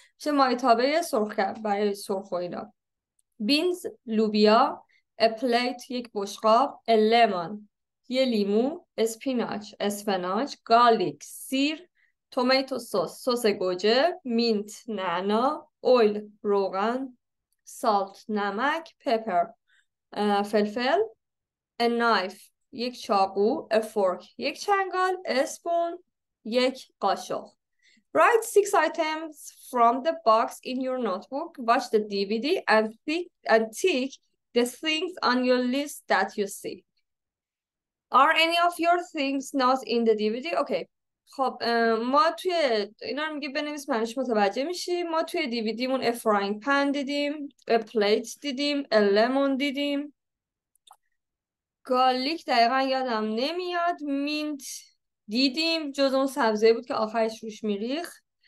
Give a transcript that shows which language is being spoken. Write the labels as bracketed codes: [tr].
[fa] چه مایتابه سرخ کرد برای سرخ و اینا. بینز، لوبیا، اپلیت، یک بشقاب، لیمون، یه لیمو، اسپیناچ، اسفناج، گارلیک، سیر، تومیتو سس، سس گوجه، مینت، نعنا، اویل، روغن، سالت، نمک، پپر، فلفل، نایف، یک چاقو، فورک، یک چنگال، اسپون، یک قاشق. [en] Write 6 items from the box in your notebook. Watch the DVD and tick the things on your list that you see. Are any of your things not in the DVD? Okay. [fa] خب ما توی اینا رو میگه بنویس معنیش متوجه میشی. ما توی DVD مون [en] a frying pan [fa] دیدیم, [en] a plate [fa] دیدیم, [en] a lemon [fa] دیدیم. گارلیک دقیقاً یادم نمیاد. Mint دیدیم جز اون سبزه بود که آخرش روش میریخ.